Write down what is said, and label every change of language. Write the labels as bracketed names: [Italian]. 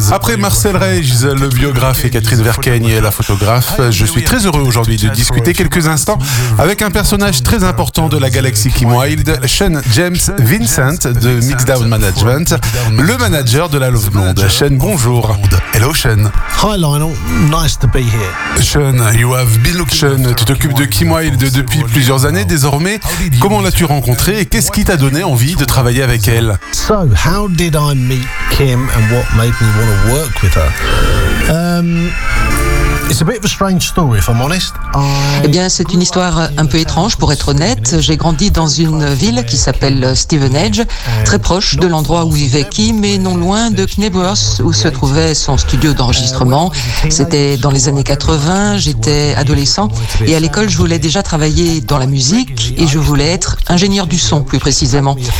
[French] Après Marcel Reyes, le biographe et Catherine Verkaigne et la photographe, je suis très heureux aujourd'hui de discuter quelques instants avec un personnage très important de la galaxie Kim Wilde, Sean James Vincent de Mixdown Management, le manager de la Love Blonde. Sean, bonjour. [English] Hello Sean. Hi Lionel, nice to be here. Sean, you have been looking. [French] Sean, tu t'occupes de Kim Wilde depuis plusieurs années désormais. Comment l'as-tu rencontrée et qu'est-ce qui t'a donné envie de travailler avec elle? [English] So, how did I meet Kim and what made me want to work with her? It's a bit of a strange story, if I'm honest. [French] Eh bien, c'est une histoire un peu étrange, pour être honnête. J'ai grandi dans une ville qui s'appelle Stevenage, très proche de l'endroit où vivait Kim, mais non loin de Knebworth, où se trouvait son studio d'enregistrement. C'était dans les années 80, j'étais adolescent, et à l'école, je voulais déjà travailler dans la musique, et je voulais être ingénieur du son, plus précisément.